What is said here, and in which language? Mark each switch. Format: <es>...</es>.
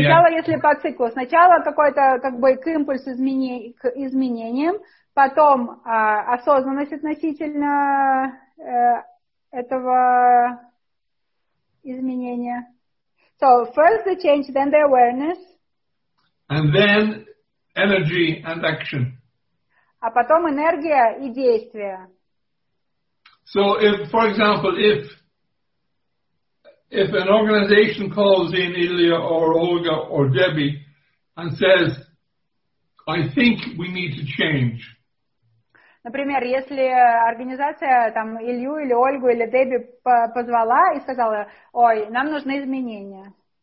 <ru>сначала, если по циклу, сначала какой-то как бы к импульсу к изменениям, потом осознанность относительно этого изменения.</ru> <en>So first the change, then the awareness. And then energy and action.</en> <ru>А потом энергия и действия.</ru> <en>So if, for example, if if an organization calls in Ilya or Olga or Debbie and says, I think we need to change.</en> <ru>Например, если организация там Илью или Ольгу или Дебби позвала и сказала, ой, нам нужны изменения.</ru>